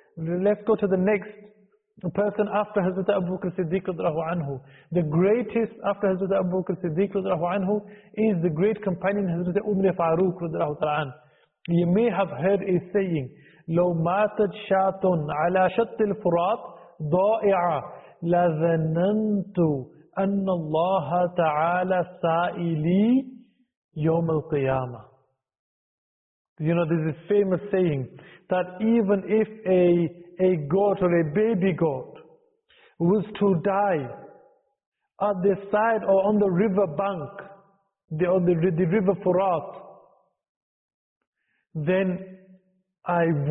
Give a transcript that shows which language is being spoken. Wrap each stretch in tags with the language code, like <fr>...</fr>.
<en>Let's go to the next person after Hazrat Abu Bakr Siddiq radhiyallahu anhu. The greatest after Hazrat Abu Bakr Siddiq radhiyallahu anhu is the great companion Hazrat Umar Farooq radhiyallahu ta'ala anhu. You may have heard a saying,</en> <ar>"Lo matat shatun ala shatt al furat." ضائعه لذننت ان الله تعالى سائلي يوم القيامه.</ar> <en>You know, there's this famous saying that even if a goat or a baby goat was to die at the side or on the river bank, the river Furat, then I</en>